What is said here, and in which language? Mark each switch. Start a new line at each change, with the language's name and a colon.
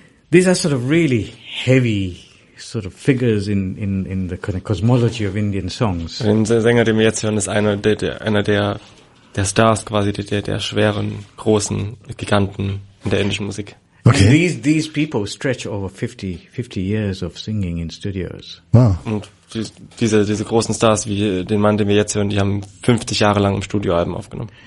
English: These are sort of really heavy sort of figures in the kind of cosmology of Indian songs.
German: Den Sänger, den wir jetzt hören, ist einer der Stars quasi, der schweren, großen Giganten in der indischen Musik.
English: Okay. And these people stretch over 50 years of singing in studios. Wow.
German: Und diese großen Stars wie den Mann, den wir jetzt hören, die haben 50 Jahre lang im Studio Alben aufgenommen.